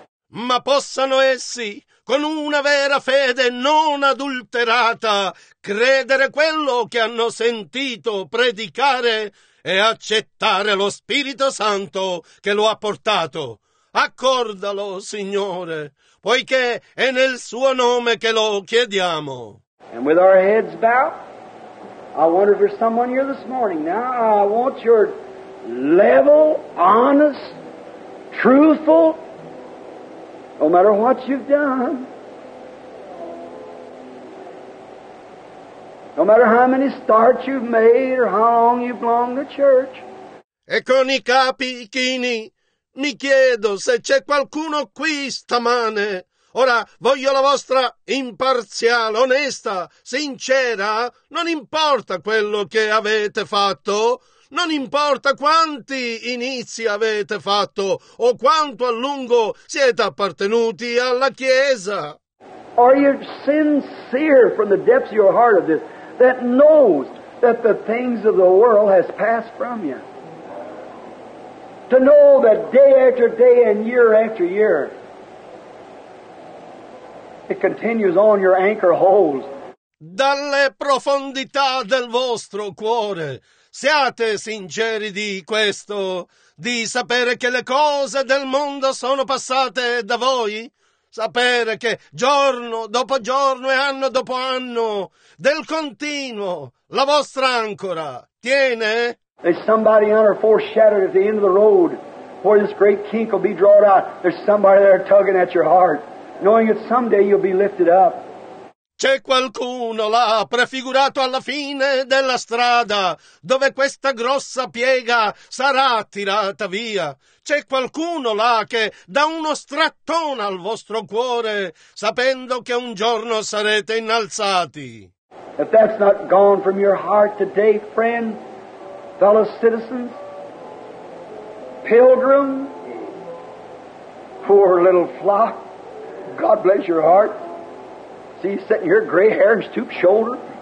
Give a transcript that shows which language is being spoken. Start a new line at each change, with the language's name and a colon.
Italian: Ma possano essi, con una vera fede non adulterata, credere quello che hanno sentito predicare e accettare lo Spirito Santo che lo ha portato. Accordalo, Signore, poiché è nel suo nome che lo chiediamo.
English: And with our heads bowed, I wonder if there's someone here this morning. Now I want your level, honest, truthful, no matter what you've done, no matter how many starts you've made or how long you've belonged to church.
Italian: E con i capi chini mi chiedo se c'è qualcuno qui stamane. Ora voglio la vostra imparziale, onesta, sincera. Non importa quello che avete fatto. Non importa quanti inizi avete fatto o quanto a lungo siete appartenuti alla Chiesa.
English: Are you sincere from the depths of your heart of this that knows that the things of the world has passed from you? To know that day after day and year after year it continues on your anchor holds.
Italian: Dalle profondità del vostro cuore, siate sinceri di questo, di sapere che le cose del mondo sono passate da voi, sapere che giorno dopo giorno e anno dopo anno, del continuo, la vostra ancora tiene.
English: There's somebody on our foreshadowed at the end of the road, where this great kink will be drawn out. There's somebody there tugging at your heart, knowing that someday you'll be lifted up.
Italian: C'è qualcuno là, prefigurato alla fine della strada, dove questa grossa piega sarà tirata via. C'è qualcuno là che dà uno strattone al vostro cuore, sapendo che un giorno sarete innalzati.
English: If that's not gone from your heart today, friend, fellow citizens, pilgrim, poor little flock, God bless your heart. See, you sitting here, gray hair and stooped shoulder.